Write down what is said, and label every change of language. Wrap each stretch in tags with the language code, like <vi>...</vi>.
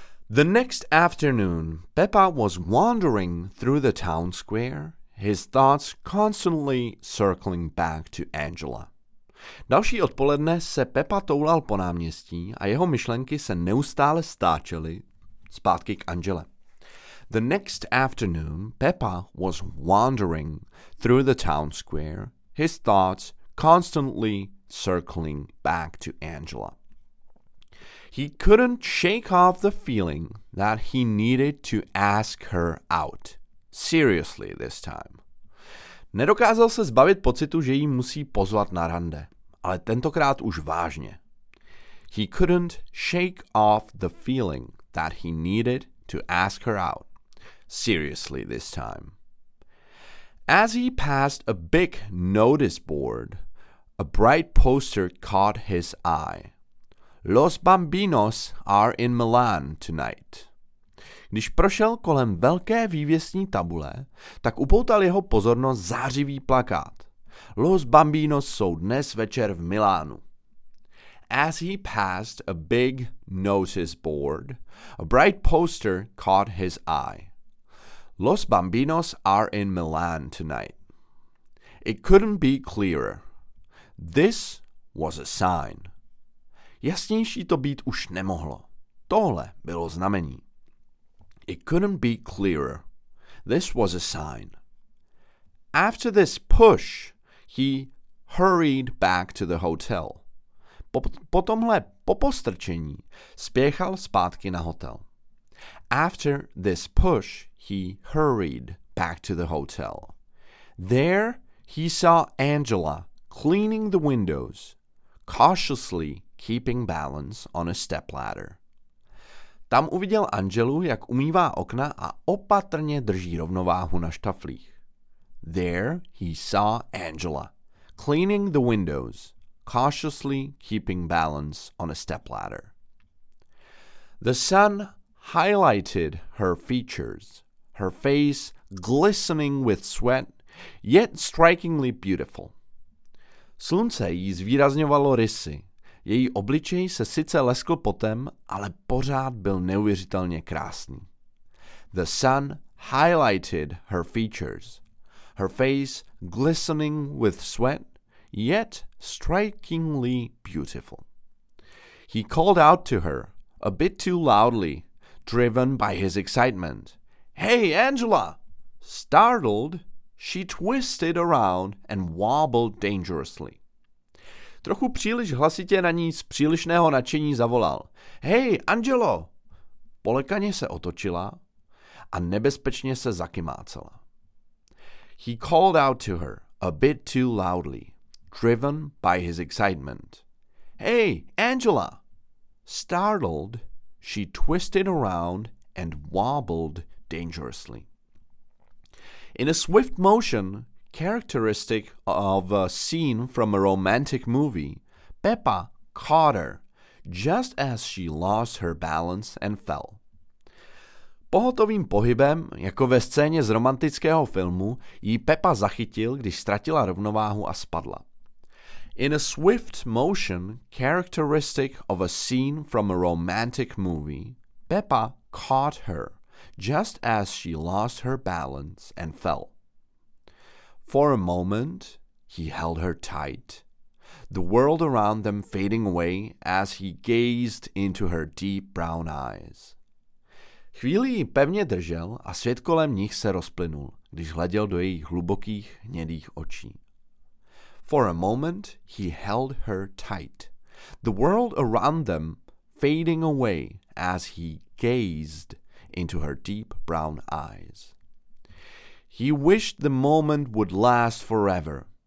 <en>The next afternoon, Pepa was wandering through the town square, his thoughts constantly circling back to Angela.</en> <cs>Další odpoledne se Pepa toulal po náměstí a jeho myšlenky se neustále stáčely zpátky k Angele.</cs> <en>The next afternoon, Pepa was wandering through the town square, his thoughts constantly circling back to Angela. He couldn't shake off the feeling that he needed to ask her out. Seriously, this time.</en> <cs>Nedokázal se zbavit pocitu, že jí musí pozvat na rande, ale tentokrát už vážně.</cs> <en>He couldn't shake off the feeling that he needed to ask her out. Seriously, this time. As he passed a big notice board, a bright poster caught his eye. Los Bambinos are in Milan tonight.</en> <cs>Když prošel kolem velké vývěsní tabule, tak upoutal jeho pozornost zářivý plakát. Los Bambinos jsou dnes večer v Milánu.</cs> <en>As he passed a big notice board, a bright poster caught his eye. Los Bambinos are in Milan tonight. It couldn't be clearer. This was a sign.</en> <cs>Jasnější to být už nemohlo. Tohle bylo znamení.</cs> <en>It couldn't be clearer. This was a sign. After this push, he hurried back to the hotel.</en> <cs>Po tomhle popostrčení spěchal zpátky na hotel.</cs> <en>After this push, he hurried back to the hotel. There he saw Angela cleaning the windows, cautiously keeping balance on a stepladder.</en> <cs>Tam uviděl Angelu, jak umývá okna a opatrně drží rovnováhu na štaflích.</cs> <en>There he saw Angela cleaning the windows, cautiously keeping balance on a stepladder. The sun highlighted her features, her face glistening with sweat, yet strikingly beautiful.</en> <cs>Slunce jí zvýrazňovalo rysy. Její obličej se sice leskl potem, ale pořád byl neuvěřitelně krásný.</cs> <en>The sun highlighted her features, her face glistening with sweat, yet strikingly beautiful. He called out to her, a bit too loudly, driven by his excitement. Hey, Angela! Startled, she twisted around and wobbled dangerously.</en> <cs>Trochu příliš hlasitě na ní z přílišného nadšení zavolal. Hey, Angelo! Polekaně se otočila a nebezpečně se zakymácela.</cs> <en>He called out to her a bit too loudly, driven by his excitement. Hey, Angela! Startled, she twisted around and wobbled dangerously. In a swift motion, characteristic of a scene from a romantic movie, Pepa caught her, just as she lost her balance and fell.</en> <cs>Pohotovým pohybem, jako ve scéně z romantického filmu, ji Pepa zachytil, když ztratila rovnováhu a spadla.</cs> <en>In a swift motion, characteristic of a scene from a romantic movie, Pepa caught her, just as she lost her balance and fell. For a moment, he held her tight, the world around them fading away as he gazed into her deep brown eyes.</en> <cs>Chvíli ji pevně držel a svět kolem nich se rozplynul, když hleděl do jejich hlubokých hnědých očí.</cs> <en>For a moment, he held her tight, the world around them fading away as he gazed into her deep brown eyes. He wished the moment would last forever.</en>